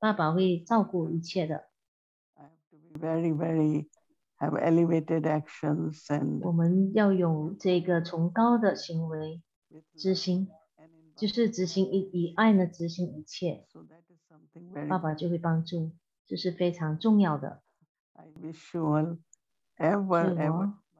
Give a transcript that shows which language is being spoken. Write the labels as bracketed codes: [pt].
[zh] 所得到一切，所以这个意识要非常，这个思想，这个想法呢是非常重要的。谁给我们呢？是爸爸给我们的，爸爸会照顾一切的。 [en] I have to be very, very have elevated actions and [zh] 我们要有这个崇高的行为，执行，就是执行以爱呢执行一切。 [en] So that is something very [zh] 爸爸就会帮助，这是非常重要的。 [en] I wish you all ever, ever smiling.